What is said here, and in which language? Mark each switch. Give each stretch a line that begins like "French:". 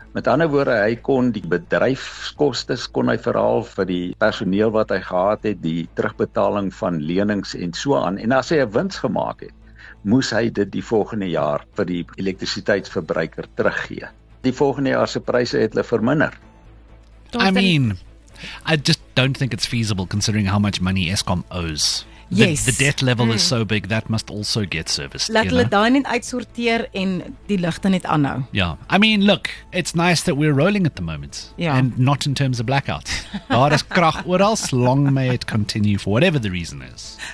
Afrikaans: Met ander woorde, hy kon die bedryfskostes kon hy verhaal vir die personeel wat hy gehad het, die terugbetaling van lenings en so aan. En as hy 'n wins gemaak het, moes hy dit die volgende jaar vir die elektrisiteitsverbruiker teruggee. Die volgende jaar se pryse het hulle verminder.
English: I mean, I just don't think it's feasible considering how much money Eskom owes. Yes. The debt level is so big, that must also get serviced.
Afrikaans: Laat hulle daai net uitsorteer en die ligte net aanhou.
English: Yeah. I mean, look, it's nice that we're rolling at the moment. Yeah. And not in terms of blackouts.
Afrikaans: Daar is krag oral,
English: long may it continue for whatever the reason is.